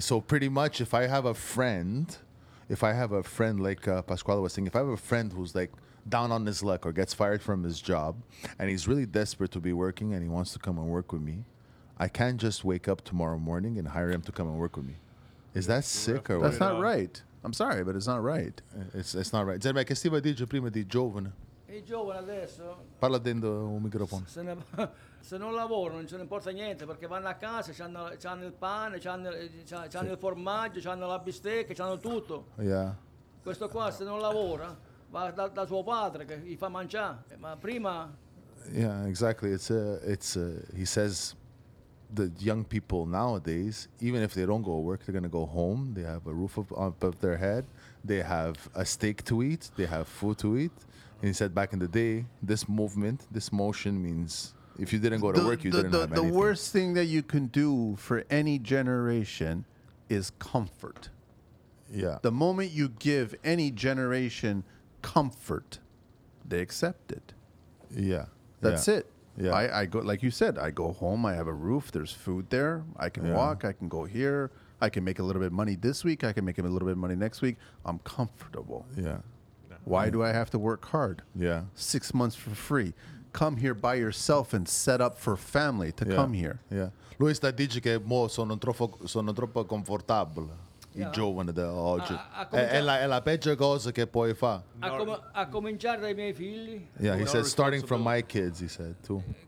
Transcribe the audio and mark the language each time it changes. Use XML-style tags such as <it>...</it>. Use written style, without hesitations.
<en>So pretty much if I have a friend like Pasquale was saying, if I have a friend who's like, down on his luck or gets fired from his job and he's really desperate to be working and he wants to come and work with me, I can't just wake up tomorrow morning and hire him to come and work with me. Is that sick or what? That's not right. I'm sorry, but it's not right. It's not right.</en> <it>Zerme, che stiva dice prima di giovane? I giovani adesso... Parla dentro un microfono. Se non lavoro non ce ne importa niente perché vanno a casa, c'hanno il pane, c'hanno il formaggio, c'hanno la bistecca, c'hanno tutto.</it> <en>Yeah.</en> <it>Questo qua se non lavora... Va da suo padre che gli fa mangiare, ma prima.</it> <en>Yeah, exactly. He says the young people nowadays, even if they don't go to work, they're going to go home. They have a roof above their head. They have a steak to eat. They have food to eat. And he said back in the day, this motion means if you didn't go to work, you didn't have anything. The worst thing that you can do for any generation is comfort. Yeah. The moment you give any generation comfort, they accept it. Yeah, that's yeah. it. Yeah, I go, like you said, I go home, I have a roof, there's food there, I can walk, I can go here, I can make a little bit of money this week, I can make a little bit of money next week, I'm comfortable. Yeah. Why do I have to work hard? Yeah. 6 months for free. Come here by yourself and set up for family to come here. Yeah.</en> <it>Lui sta dice che mo sono troppo confortabile. I giovani da oggi. È la peggio cosa che puoi fa. A cominciare dai miei figli.</it> <en>Yeah, he said, starting from my kids, he said, too.</en>